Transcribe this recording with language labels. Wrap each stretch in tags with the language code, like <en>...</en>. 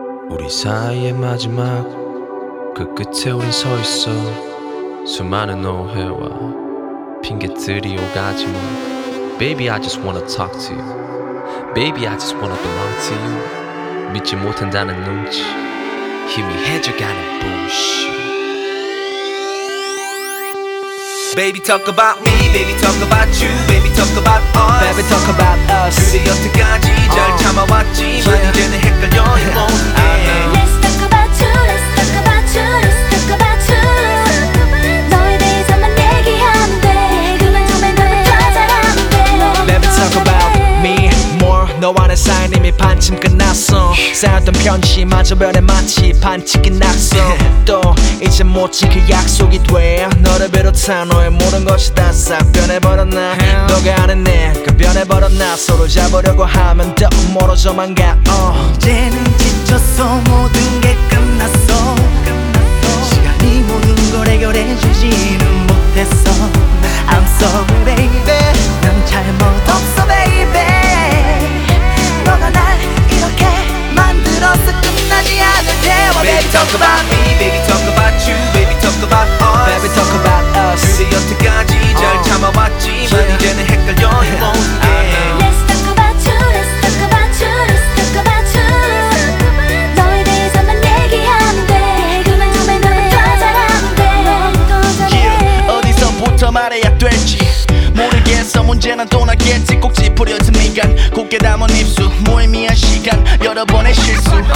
<ko>우리 사이의 마지막 그 끝에 우린 서 있어. 수많은 오해와 핑계들이 오가지만</ko> <en>Baby I just wanna talk to you. Baby I just wanna belong to you.</en> <ko>믿지 못한다는 눈치 희미해져가는 bullshit.</ko> <en>Baby talk about me, baby talk about you, baby talk about us, baby talk about us.</en> <ko>그리 여태까지 잘 참아왔지 만 이제는 헷갈려 이 모든 게.</ko> <en>Let's talk about you, let's talk about you, let's talk about you.</en> <ko>너에 대해서만 얘기하면 돼. 그만 좀 해도 더 잘하면 돼.</ko> <en>Baby talk about me more.</en> <ko>너와 내 사이 이미 반쯤 끝났어. 쌓였던 편지 마저 변해 마치 반칙이 났어. 또 이제 못 지킬 약속이 돼. 너를 비롯한 너의 모든 것이 다 싹 변해버렸나. 너가 아는 내가 변해버렸나. 서로 잡으려고 하면 더 멀어져만 가. 이제는 지쳤어. 모든 게 끝났어. 시간이 모든 걸 해결해주지는 못했어.</ko> <en>I'm sorry baby.</en> <ko>난 잘못 없어</ko> <en>baby.</en> <ko>너가 날 이렇게 만들어서 끝나지 않을 대화.</ko> <en>Baby talk about me, baby talk about you, baby talk about us, baby talk about us.</en> <ko>그리 여태까지 잘 참아왔지만 yeah. 이제는 헷갈려 이 모든 게.</ko> <en>Let's talk about you, let's talk about you, let's talk about you.</en> <ko>너에 대해서만 얘기하면 돼. 그만 좀 해. 너는 더 잘하면 돼. 너는 더 잘해. 어디서부터 말해야 될지 모르겠어. 문제는 또 나겠지. 꼭 짚으려진 미간 곱게 담은 입술. 무의미한 시간 여러 번의 실수.</ko>